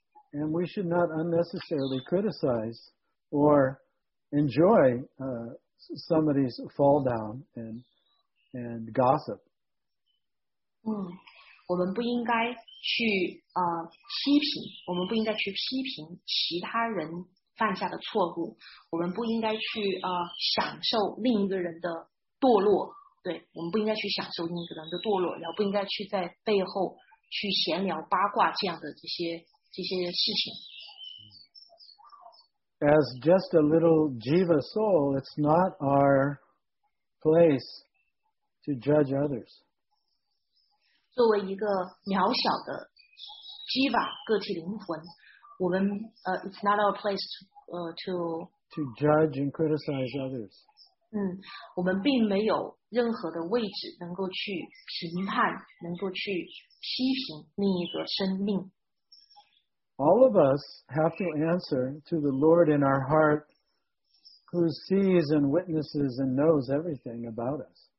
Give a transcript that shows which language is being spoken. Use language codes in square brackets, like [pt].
[en] And we should not unnecessarily criticize or enjoy somebody's fall down and and gossip. [zh] 我们不应该去批评，我们不应该去批评其他人犯下的错误，我们不应该去享受另一个人的堕落。对，我们不应该去享受另一个人的堕落，然后不应该去在背后去闲聊八卦这样的这些事情。 [en] As just a little jiva soul, it's not our place to judge others. [zh] 作为一个渺小的 jiva 个体灵魂，我们 [en] it's not our place to judge and criticize others. [zh] 我们并没有任何的位置能够去评判，能够去批评另一个生命。 [en] All of us have to answer to the Lord in our heart who sees and witnesses and knows everything about us.